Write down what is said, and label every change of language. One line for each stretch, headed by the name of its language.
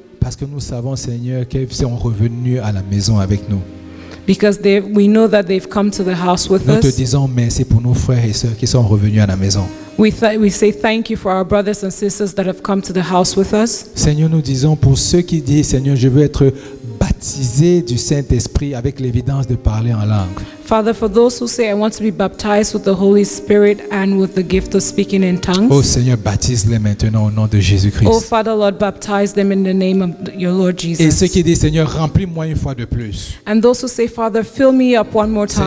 French: Parce que nous savons, Seigneur, qu'ils sont revenus à la maison avec nous.
English: Because they, we know that they've come to the house with
French: nous
English: us.
French: Nous te disons merci pour nos frères et sœurs qui sont revenus à la maison.
English: We say thank you for our brothers and sisters that have come to the house with us.
French: Seigneur, nous disons pour ceux qui disent, Seigneur, je veux être baptisé du Saint-Esprit avec l'évidence de parler en langue.
English: Father, for those who say I want to be baptized with the Holy Spirit and with the gift of speaking in tongues.
French: Oh Seigneur, baptise-les maintenant au nom de Jésus-Christ.
English: Oh Father, Lord, baptize them in the name of your Lord Jesus.
French: Et ceux qui disent, Seigneur, remplis-moi une fois de plus.
English: And those who say, Father, fill me up one more time.